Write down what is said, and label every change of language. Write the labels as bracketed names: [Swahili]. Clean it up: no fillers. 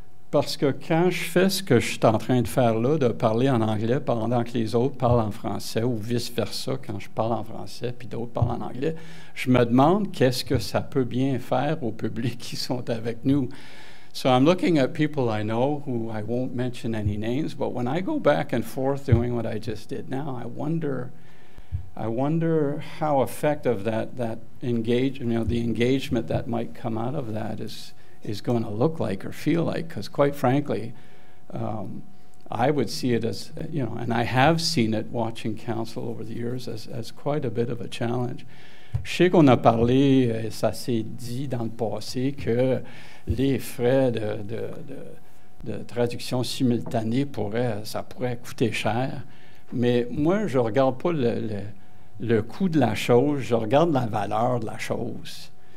[French] Parce que quand je fais ce que je suis en train de faire là, de parler en anglais pendant que les autres parlent en français, ou vice-versa, quand je parle en français puis d'autres parlent en anglais, je me demande qu'est-ce que ça peut bien faire au public qui sont avec nous. [English] So I'm looking at people I know who I won't mention any names, but when I go back and forth doing what I just did now, I wonder how effective that engagement, you know, the engagement that might come out of that is going to look like or feel like, because quite frankly, I would see it as, you know, and I have seen it watching council over the years as quite a bit of a challenge. [French] Je sais qu'on a parlé, et ça s'est dit dans le passé, que les frais de traduction simultanée, ça pourrait coûter cher. Mais moi, je ne regarde pas le coût de la chose, je regarde la valeur de la chose.